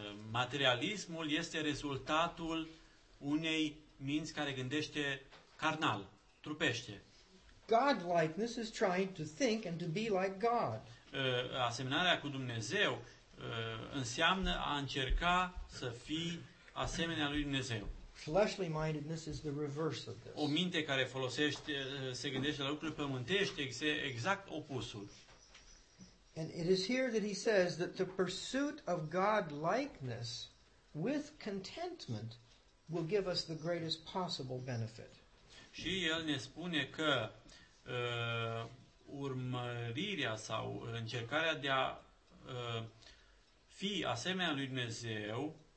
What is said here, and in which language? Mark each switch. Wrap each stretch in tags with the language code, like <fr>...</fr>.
<ro>Materialismul este rezultatul unei minți care gândește carnal, trupește.</ro> <en>Godlikeness is trying to think and to be like God.</en> <ro>Asemănarea cu Dumnezeu înseamnă a încerca să fii asemenea lui Dumnezeu.</ro> <en>Fleshly mindedness is the reverse of this.</en> <ro>O minte care folosește se gândește la lucruri pământești, exact opusul.</ro> <en>And it is here that he says that the pursuit of godlikeness with contentment will give us the greatest possible benefit.</en> <ro>Și el ne spune că urmărirea sau încercarea de a fi asemenea lui Dumnezeu</ro>